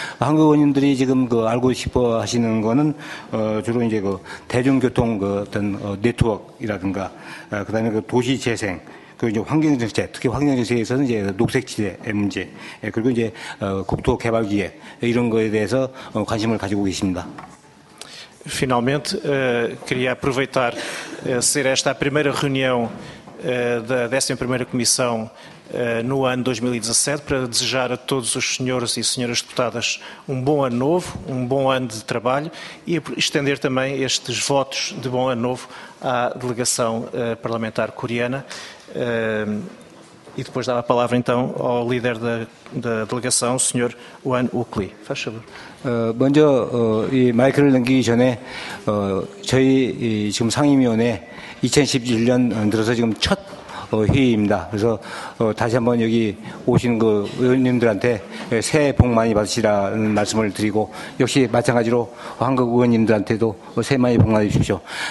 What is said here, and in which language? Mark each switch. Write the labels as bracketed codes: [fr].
[ko] 한국 의원님들이 지금 알고 싶어 하시는 거는 주로 이제 대중교통 어떤 네트워크이라든가 그다음에 도시 재생 그 이제 환경 정책, 특히 환경 정책에서는 이제 녹색 지대의 문제, 그리고 이제 국토 개발 기획 이런 거에 대해서 관심을 가지고 계십니다. [pt] Finalmente, queria aproveitar ser esta a primeira reunião da 11ª Comissão no ano 2017 para desejar a todos os senhores e senhoras deputadas um bom ano novo, um bom ano de trabalho e estender também estes votos de bom ano novo à delegação parlamentar coreana. E depois dava a palavra então ao líder da delegação, o senhor Wan Uk Lee. Faz favor. [ko] 먼저 이 마이크를 넘기기 전에 저희 지금 상임위원회 2017년 들어서 지금 첫 회의입니다. 그래서 다시 한번 여기 오신 그 의원님들한테 새해 복 많이 받으시라는 말씀을 드리고 역시 마찬가지로 한국 의원님들한테도 새해 많이 복 많이 주십시오.